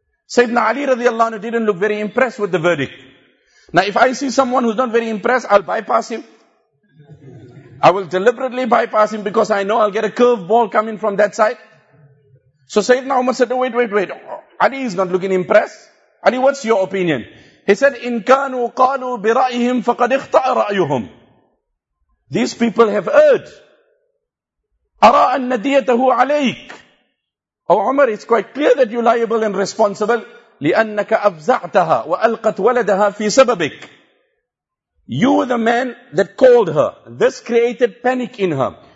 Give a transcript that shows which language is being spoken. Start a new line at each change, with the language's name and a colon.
English: Sayyidina Ali radiallahu anhu didn't look very impressed with the verdict. Now if I see someone who's not very impressed, I'll bypass him. I will deliberately bypass him because I know I'll get a curve ball coming from that side. So Sayyidina Umar said, wait. Ali is not looking impressed. Ali, what's your opinion?
Arabic: He said, إِن كَانُوا قَالُوا بِرَأِهِمْ فَقَدْ اِخْطَأَ رَأْيُهُمْ.
English: These people have erred.
Arabic: أَرَىٰ أَنَّدِيَتَهُ عَلَيْكَ.
English: Oh Umar, it's quite clear that you're liable and responsible.
Arabic: لِأَنَّكَ أَفْزَعْتَهَا وَأَلْقَتْ وَلَدَهَا فِي سَبَبِكَ.
English: You were the man that called her. This created panic in her.